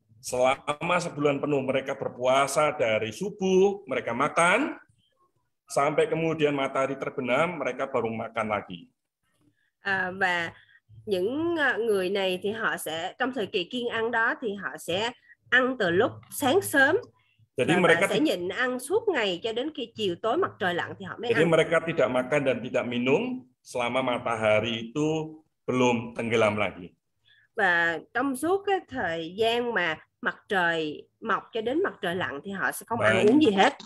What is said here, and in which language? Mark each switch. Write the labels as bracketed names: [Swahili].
[Indonesian] Selama sebulan penuh mereka berpuasa dari subuh mereka makan sampai kemudian matahari terbenam mereka baru makan lagi. [Vietnamese] Và những người này thì họ sẽ trong thời kỳ kiêng ăn đó thì họ sẽ ăn từ lúc sáng sớm. [Indonesian] Jadi mereka [Vietnamese] sẽ nhịn ăn suốt ngày cho đến khi chiều tối mặt trời lặn thì họ mới ăn. [Indonesian] Jadi mereka tidak makan dan tidak minum selama matahari itu belum tenggelam lagi. [Vietnamese] Và trong suốt cái thời gian mà mặt trời mọc cho đến mặt trời lặn thì họ sẽ không ăn uống gì hết.